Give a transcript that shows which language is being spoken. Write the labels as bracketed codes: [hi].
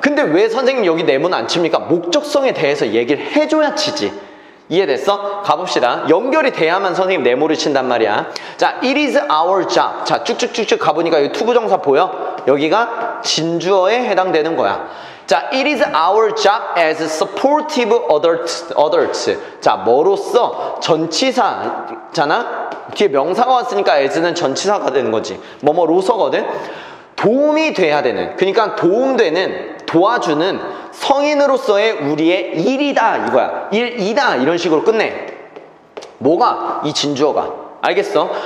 [ko] 근데 왜 선생님 여기 네모는 안 칩니까? 목적성에 대해서 얘기를 해줘야 치지. 이해됐어? 가봅시다. 연결이 돼야만 선생님 네모를 친단 말이야. [en] 자, it is our job. [ko] 자, 쭉쭉쭉쭉 가보니까 여기 투부정사 보여? 여기가 진주어에 해당되는 거야. [en] 자, it is our job as supportive adults. [ko] 자, 뭐로써? 전치사잖아? 뒤에 명사가 왔으니까 as는 전치사가 되는 거지. 뭐뭐로서거든? 도움이 돼야 되는, 그러니까 도움되는, 도와주는 성인으로서의 우리의 일이다, 이거야. 일이다, 이런 식으로 끝내. 뭐가? 이 진주어가. 알겠어?